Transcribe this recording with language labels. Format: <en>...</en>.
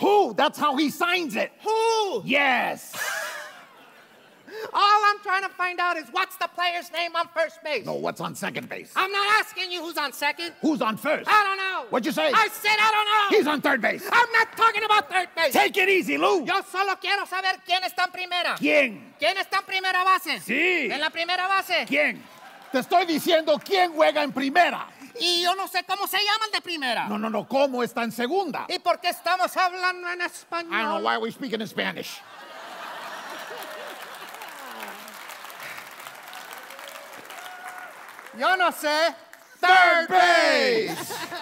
<en>Who? That's how he signs it. Who? Yes. All I'm trying to find out is what's the player's name on first base? No, what's on second base? I'm not asking you who's on second. Who's on first? I don't know. What'd you say? I said I don't know. He's on third base. I'm not talking about third base. Take it easy, Lou.</en> <es>Yo solo quiero saber quién está en primera. ¿Quién? ¿Quién está en primera base? Sí. ¿En la primera base? ¿Quién? Te estoy diciendo quién juega en primera. Y yo no sé cómo se llaman de primera. No, no, no. ¿Cómo está en segunda? ¿Y por qué estamos hablando en español?</es> <en>I don't know. Why are we speaking in Spanish?</en> <es>Yo no sé.</es> <en>Third base!</en>